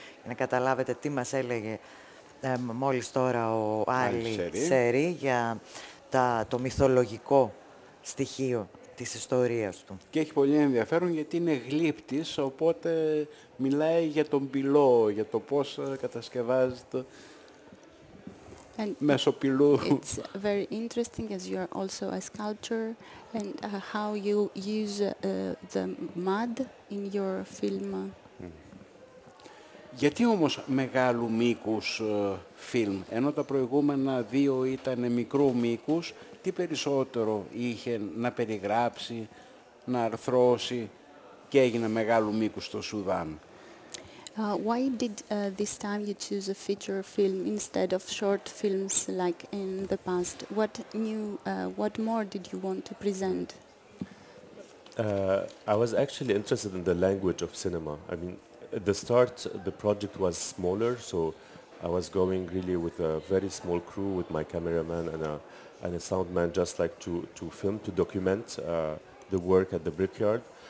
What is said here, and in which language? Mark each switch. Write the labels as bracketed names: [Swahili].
[Greek] Για να καταλάβετε τι μας έλεγε μόλις τώρα ο Άλι Σερί για το μυθολογικό στοιχείο της ιστορίας του. Και έχει πολύ ενδιαφέρον, γιατί είναι γλύπτης, οπότε μιλάει για τον πυλό, για το πώς κατασκευάζεται μέσω πυλού. [English] It's very interesting, as you are also a sculptor, and how you use the mud in your film. [Greek] Γιατί όμως μεγάλου μήκους φιλμ, ενώ τα προηγούμενα δύο ήταν μικρού μήκους, τι περισσότερο είχε να περιγράψει, να αρθρώσει και έγινε μεγάλου μήκους στο Σουδάν? [English] Why did this time you choose a feature film instead of short films like in the past? What new, what more did you want to present? I was actually interested in the language of cinema. I mean, at the start, the project was smaller, so I was going really with a very small crew, with my cameraman and a sound man, just like to film, to document the work at the Brickyard.